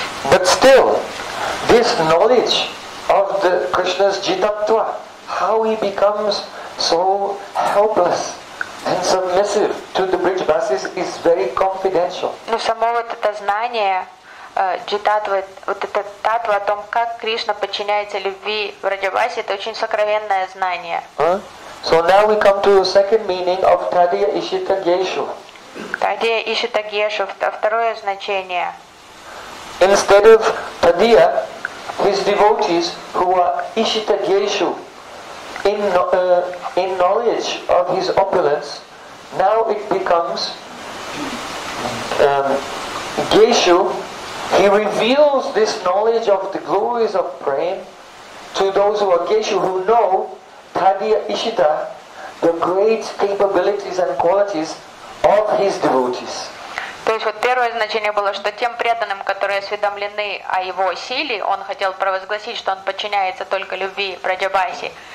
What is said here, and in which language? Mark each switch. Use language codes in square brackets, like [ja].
[en] But still, this knowledge of the Krishna's jitattva, how he becomes so helpless and submissive to the Brijbasis is very confidential. [ru] Но само вот это знание джитатвы, вот это татва о том, как Кришна подчиняется любви в Раджавасе, это очень сокровенное знание. [en] So now we come to the second meaning of Tadiya Ishita Geshu. [sa] Tadiya Ishita Geshu, [ru] второе значение. [en] Instead of Tadiya, his devotees who are Ishita Geshu in knowledge of his opulence, now it becomes Geshu. He reveals this knowledge of the glories of Prema to those who are Geshu, who know Tadiya Ishita, the great capabilities and qualities of his devotees. [ru] То есть вот первое значение было, что тем преданным, которые осведомлены о его силе, он хотел провозгласить, что он подчиняется только любви Праджабаси.